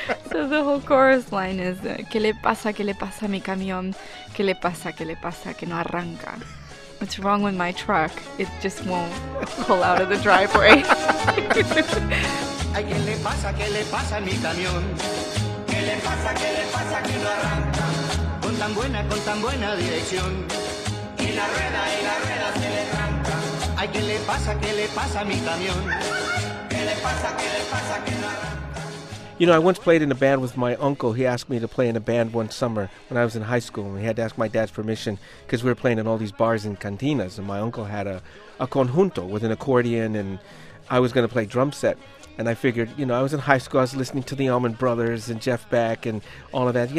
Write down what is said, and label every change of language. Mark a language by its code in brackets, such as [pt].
[en] So the whole chorus line is, [es] ¿Qué le pasa? ¿Qué le pasa a mi camión? ¿Qué le pasa? ¿Qué le pasa? ¿Que no arranca? [en] What's wrong with my truck? It just won't pull out of the driveway. [es] Ay, qué le pasa a mi camión? Qué le pasa que no arranca? Con tan buena dirección. Y la rueda se le arranca. Ay, qué le pasa a mi camión? Qué le pasa que no arranca? [en] You know, I once played in a band with my uncle. He asked me to play in a band one summer when I was in high school, and we had to ask my dad's permission because we were playing in all these bars and cantinas, and my uncle had a conjunto with an accordion, and I was going to play drum set. And I figured, you know, I was in high school, I was listening to the Allman Brothers and Jeff Beck and all of that.